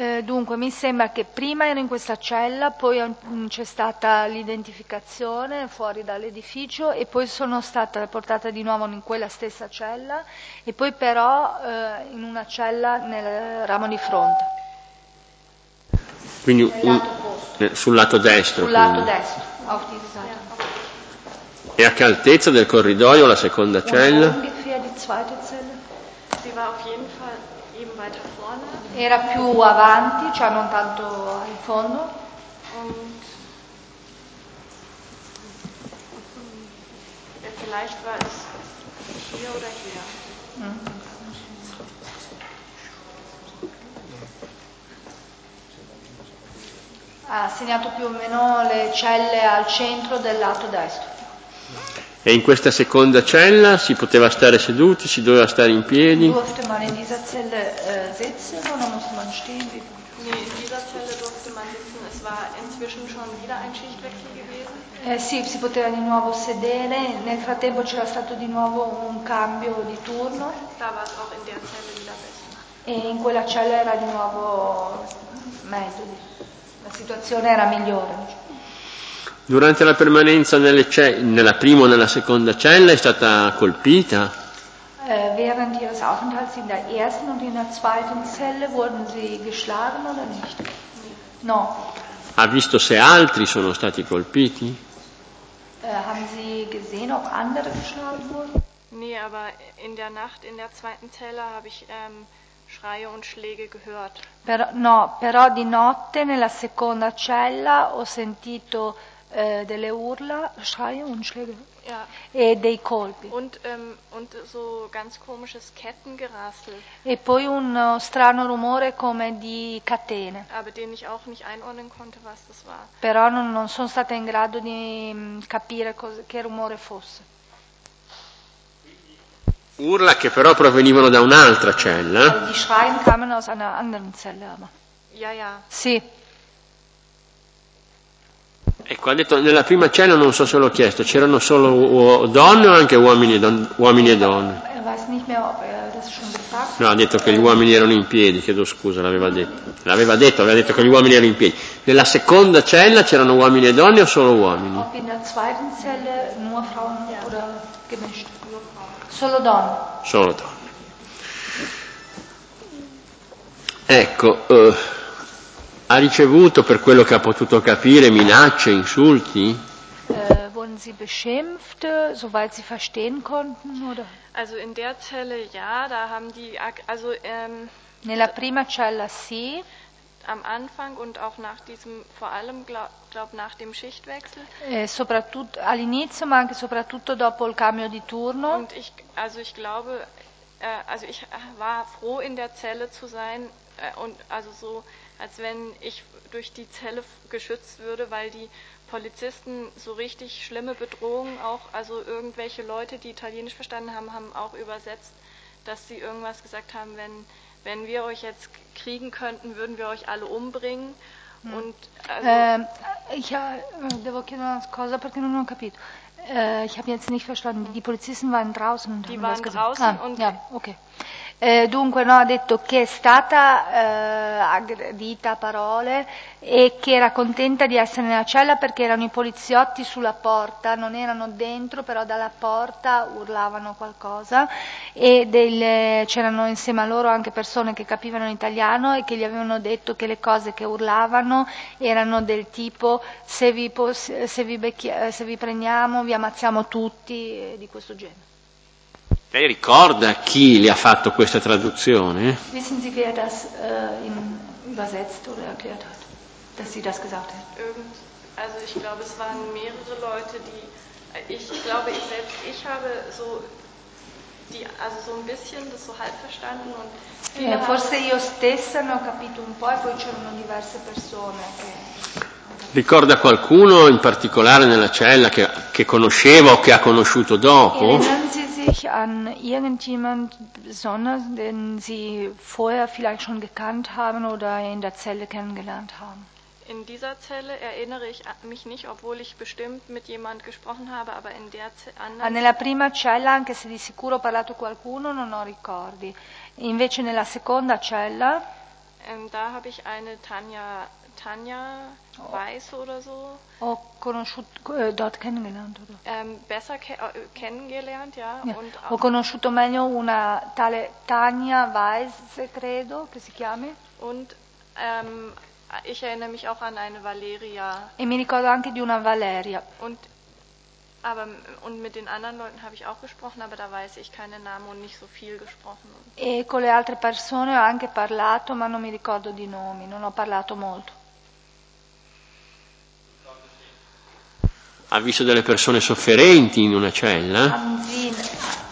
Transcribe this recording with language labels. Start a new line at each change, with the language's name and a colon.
Italian: Dunque, mi sembra che prima ero in questa cella, poi c'è stata l'identificazione fuori dall'edificio e poi sono stata portata di nuovo in quella stessa cella e poi però in una cella nel ramo di fronte. Quindi sul lato destro. Sul lato destro,
German: auf diese Seite.
Italian: E a che altezza del corridoio la seconda cella?
German: Ungefähr die zweite Zelle. Sie war auf jeden Fall eben weiter vorne.
Italian: Era più avanti, cioè non tanto in fondo.
German: Und vielleicht war es hier oder hier.
Italian: Ha segnato più o meno le celle al centro del lato destro. E in questa seconda cella si poteva stare seduti, si doveva stare in piedi?
German: Durfte man in dieser Zelle sitzen oder musste man stehen? Nee, in dieser Zelle durfte man sitzen, es war inzwischen schon wieder ein Schichtwechsel gewesen.
Italian: Sì, si poteva di nuovo sedere, nel frattempo c'era stato di nuovo un cambio di turno.
German: Da war es auch in der Zelle wieder besser.
Italian: E in quella cella era di nuovo meglio. La situazione era migliore. Durante la permanenza nella prima o nella seconda cella è stata colpita?
German: Während ihres Aufenthalts in der ersten und in der zweiten Zelle wurden sie geschlagen oder nicht?
Italian: No. Ha visto se altri sono stati colpiti?
German: Haben Sie gesehen, ob andere geschlagen wurden? Nee, aber in der Nacht in der zweiten Zelle habe ich Schreie und Schläge gehört.
Italian: Però, no, però di notte nella seconda cella ho sentito delle urla,
German: Schreie und Schläge, ja.
Italian: E dei colpi.
German: Und so ganz komisches Kettengerassel.
Italian: E poi un strano rumore come di catene.
German: Aber den ich auch nicht einordnen konnte, was das war.
Italian: Però non sono stata in grado di capire che rumore fosse. Urla che però provenivano da un'altra cella.
German: Die Schreie kamen aus einer anderen Zelle, aber. Ja, ja.
Italian: Sì. E qua ha detto nella prima cella non so se l'ho chiesto, c'erano solo donne o anche uomini e donne?
German: Weiß nicht mehr, ob das schon gesagt.
Italian: No, ha detto che gli uomini erano in piedi, chiedo scusa, l'aveva detto che gli uomini erano in piedi. Nella seconda cella c'erano uomini e donne o solo uomini?
German: Ob in der zweiten Zelle nur Frauen oder gemischt?
Italian: Solo donne. Solo donne. Ecco, ha ricevuto per quello che ha potuto capire minacce, insulti?
German: Wurden sie beschimpft, soweit sie verstehen konnten, oder? Also in der Zelle ja, da haben die also
Italian: nella prima cella sì.
German: Am Anfang und auch nach diesem, vor allem glaub nach dem Schichtwechsel.
Italian: Soprattutto all'inizio, ma anche soprattutto dopo il cambio di turno.
German: Und ich, also ich glaube, also ich war froh in der Zelle zu sein und also so, als wenn ich durch die Zelle geschützt würde, weil die Polizisten so richtig schlimme Bedrohungen auch, also irgendwelche Leute, die Italienisch verstanden haben, haben auch übersetzt, dass sie irgendwas gesagt haben, wenn wir euch jetzt kriegen könnten, würden wir euch alle umbringen.
Italian: Devo chiedere una cosa perché non ho capito.
German: Ich habe jetzt nicht verstanden. Die Polizisten waren draußen. Die waren draußen. Ja, okay.
Italian: Dunque, no, ha detto che è stata aggredita a parole e che era contenta di essere nella cella perché erano i poliziotti sulla porta, non erano dentro, però dalla porta urlavano qualcosa e c'erano insieme a loro anche persone che capivano l'italiano e che gli avevano detto che le cose che urlavano erano del tipo se vi prendiamo vi ammazziamo tutti, di questo genere. Lei ricorda chi le ha fatto questa traduzione?
German: Wissen Sie, wer das übersetzt oder erklärt hat, dass sie das gesagt hat? Also ich glaube, es waren mehrere Leute, die, ich glaube, ich selbst, ich habe so, die, also so ein bisschen das so halb verstanden und
Italian: viele forse io stessa ne ho capito un po' e poi c'erano diverse persone che... Ricorda qualcuno in particolare nella cella che conosceva o che ha conosciuto dopo?
German: Erinnern Sie sich an irgendjemand besonders, den Sie vorher vielleicht schon gekannt haben oder in der Zelle kennengelernt haben? In dieser Zelle erinnere ich mich nicht, obwohl ich bestimmt mit jemand gesprochen habe, aber in der anderen.
Italian: Nella prima cella, anche se di sicuro ho parlato qualcuno, non ho ricordi. Invece nella seconda cella.
German: Da habe ich eine Tanja Weiss oder so.
Italian: Ho conosciuto
German: dort kennengelernt oder? Besser kennengelernt, ja. Ja. Und
Italian: ho conosciuto meglio una tale Tanja Weiss, credo che si chiami.
German: Und ich erinnere mich auch an eine Valeria.
Italian: E mi ricordo anche di una Valeria.
German: Und mit den anderen Leuten habe ich auch gesprochen, aber da weiß ich keine Namen und nicht so viel gesprochen.
Italian: E con le altre persone ho anche parlato, ma non mi ricordo di nomi, non ho parlato molto. Ha visto delle persone sofferenti in una cella?